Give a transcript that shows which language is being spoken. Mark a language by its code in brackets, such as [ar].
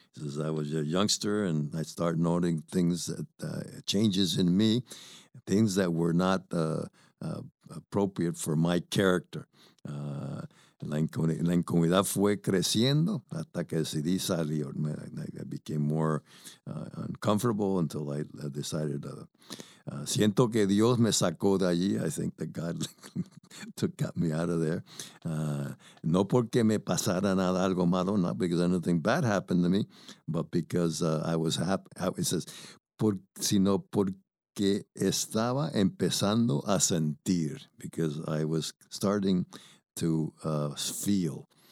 [en] Since I was a youngster and I started noting things that changes in me, things that were not appropriate for my character. [es] La incomodidad fue creciendo hasta que decidí salir. [en] I became more uncomfortable until I decided. [es] Siento que Dios me sacó de allí. [en] I think that God got me out of there. [es] No porque me pasara nada algo malo, [en] not because anything bad happened to me, but because I was happy. It says, [es] sino porque estaba empezando a sentir, [en] because I was starting to feel.